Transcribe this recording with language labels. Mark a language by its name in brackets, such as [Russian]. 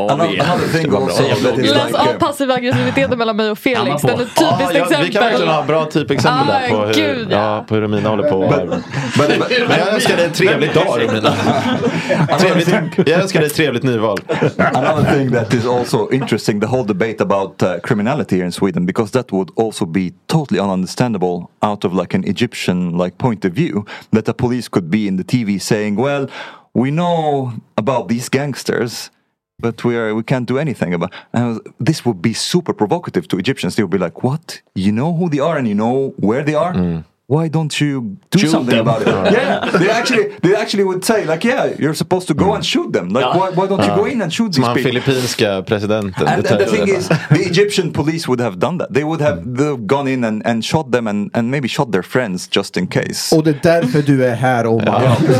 [Swedish] Läs av passiv aggressiviteten mellan mig och Felix. Den är typiskt exempel. Vi kan verkligen ha bra typexempel där på hur, på hur Romina håller på. Men jag önskar dig en trevlig dag, Romina. Jag önskar dig ett trevligt nyval. [English] Another thing that is also interesting, the whole debate about criminality here in Sweden, because that would also be totally ununderstandable out of like an Egyptian like point of view, that the police could be in the TV saying, well, we know about these gangsters, but we can't do anything about. And this would be super provocative to Egyptians. They would be like, what? You know who they are and you know where they are? Why don't you do shoot something them. About it? Yeah, they actually would say like, yeah, you're supposed to go and shoot them. Like, why don't you go in and shoot these people? [Swedish] Filippinska presidenten. [English] And the thing is, the Egyptian police would have done that. They would have gone in and shot them and maybe shot their friends just in case. [Swedish] Och det är därför du är här, Omar.